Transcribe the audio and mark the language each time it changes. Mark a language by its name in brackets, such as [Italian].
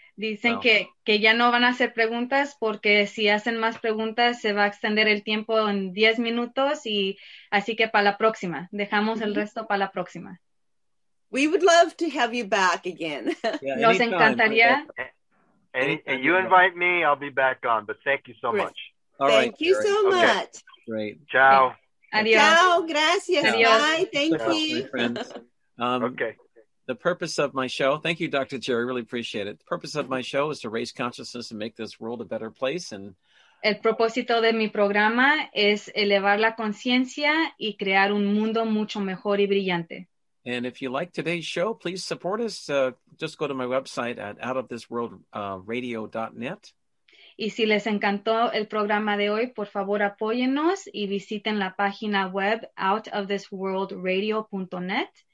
[Spanish] Dicen que ya no van a hacer preguntas porque si hacen más preguntas se va a extender el tiempo en 10 minutos y así que para la próxima. Dejamos el resto para la próxima. [English] We would love to have you back again. [Spanish] Nos encantaría. [English] And you invite me, I'll be back on, but thank you so much. Thank you so much. Great. [Italian] Ciao. [Spanish] Adios. [English] Ciao, [Spanish] gracias. Adios. [English] Bye. Thank you. Okay. The purpose of my show, thank you, Dr. Jerry, really appreciate it. The purpose of my show is to raise consciousness and make this world a better place. And [Spanish] el propósito de mi programa es elevar la conciencia y crear un mundo mucho mejor y brillante. [English] And if you like today's show, please support us. Just go to my website at outofthisworldradio.net. [Spanish] Y si les encantó el programa de hoy, por favor, apóyennos y visiten la página web outofthisworldradio.net.